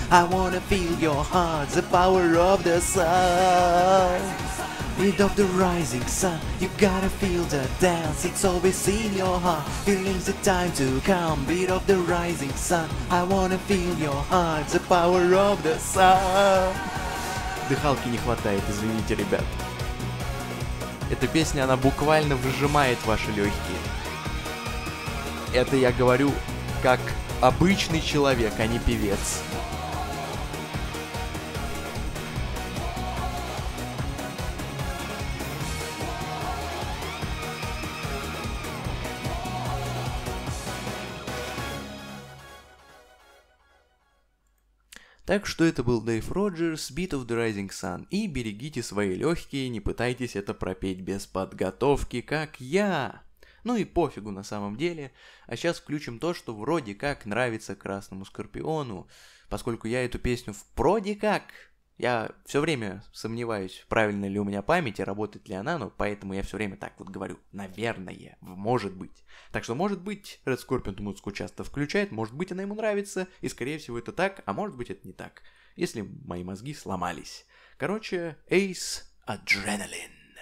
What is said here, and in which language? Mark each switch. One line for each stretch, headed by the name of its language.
English: I wanna feel your heart, the power of the sun. Beat of the rising sun, you gotta feel the dance, it's always in your heart. Feeling's the time to come, beat of the rising sun. I wanna feel your heart, the power of the sun.
Russian: Дыхалки не хватает, извините, ребят. Эта песня, она буквально выжимает ваши легкие. Это я говорю как обычный человек, а не певец. Так что это был Dave Rogers, Beat of the Rising Sun. И берегите свои легкие, не пытайтесь это пропеть без подготовки, как я. Ну и пофигу на самом деле. А сейчас включим то, что вроде как нравится Красному Скорпиону. Поскольку я эту песню вроде как... Я все время сомневаюсь, правильно ли у меня память и работает ли она, но поэтому я все время так вот говорю. Наверное, может быть. Так что, может быть, Red Scorpion эту музыку часто включает, может быть, она ему нравится, и, скорее всего, это так, а может быть, это не так, если мои мозги сломались. Короче, Ace Adrenaline.